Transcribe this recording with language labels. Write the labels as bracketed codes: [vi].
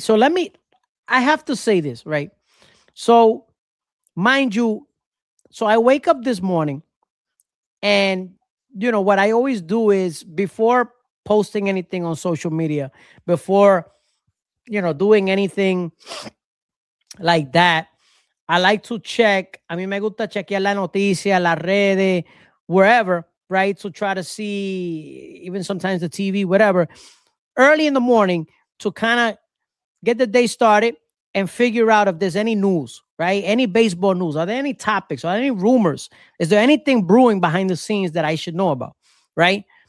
[en] So I have to say this, right? So mind you, So I wake up this morning and, you know, what I always do is before posting anything on social media, before, you know, doing anything like that, I like to check. [es] A mí me gusta chequear la noticia, las redes, [en] wherever, right? To try to see, even sometimes the TV, whatever, early in the morning to kind of get the day started and figure out if there's any news, right? Any baseball news? Are there any topics? Are there any rumors? Is there anything brewing behind the scenes that I should know about, right?